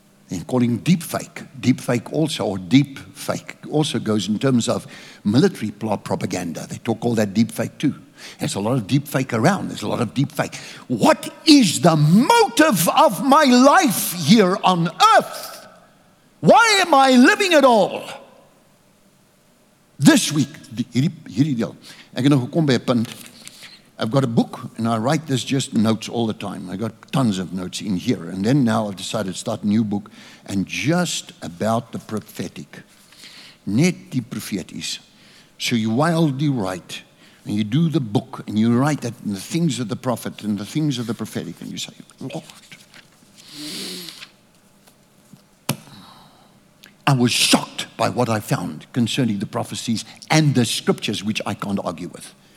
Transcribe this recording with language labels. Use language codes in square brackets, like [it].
[en] And calling deepfake. Deepfake also, or deep fake, also goes in terms of military propaganda. They talk all that deepfake too. There's a lot of deep fake around. There's a lot of deep fake. What is the motive of my life here on earth? Why am I living at all? This week, [af] hierdie deel. Ek het nog gekom by 'n punt. [en] I've got a book, and I write this just notes all the time. I got tons of notes in here. And then now I've decided to start a new book, and just about the prophetic. [af] Net die profeties. [en] So you wildly write, and you do the book, and you write that in the things of the prophet and the things of the prophetic, and you say, Lord, I was shocked by what I found concerning the prophecies and the scriptures, which I can't argue with.